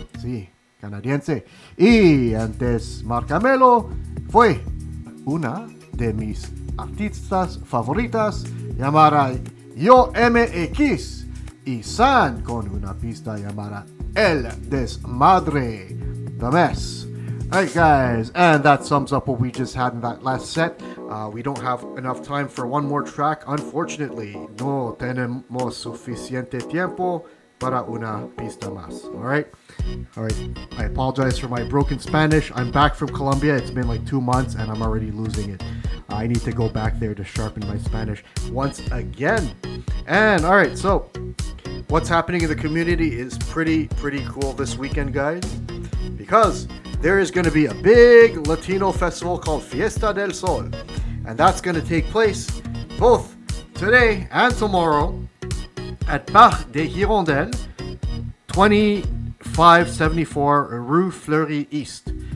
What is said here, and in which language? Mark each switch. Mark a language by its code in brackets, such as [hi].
[es] Sí, canadiense. Y antes Mark Amelo fue una de mis artistas favoritas llamada Yo MX y San con una pista llamada El Desmadre. [en] The Mess. All right, guys, and that sums up what we just had in that last set. We don't have enough time for one more track, unfortunately. [es] No tenemos suficiente tiempo para una pista más. [en] All right. I apologize for my broken Spanish. I'm back from Colombia. It's been like 2 months, and I'm already losing it. I need to go back there to sharpen my Spanish once again. And all right, so what's happening in the community is pretty cool this weekend, guys, because there is going to be a big Latino festival called Fiesta del Sol, and that's going to take place both today and tomorrow at Parc des Hirondelles, 2574 Rue Fleury East.